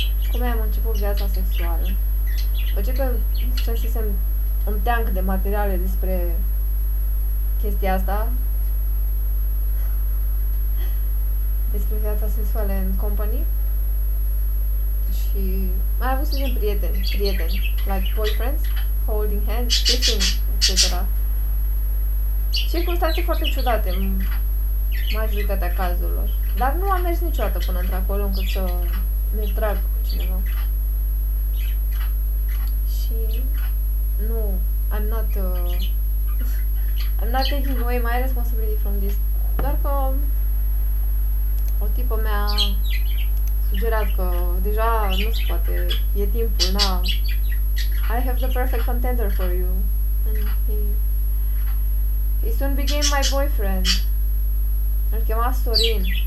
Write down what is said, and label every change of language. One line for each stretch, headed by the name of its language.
Romanian: Cum am început viața sexuală? Păi ce că strânsesem un teanc de materiale despre chestia asta, despre viața sexuală în company, și mai avut să zicem prieteni, like boyfriends, holding hands, kissing, etc. Circunstanțe foarte ciudate în majoritatea cazurilor, dar nu am mers niciodată până într-acolo încât să ne trag cu cineva.
English: Nu, I'm not taking away my responsibility from this.
Romanian: Doar că o tipă mi-a sugerat că deja nu se poate, e timpul, na.
English: I have the perfect contender for you. And he soon became my boyfriend.
Romanian: Îl chema Sorin.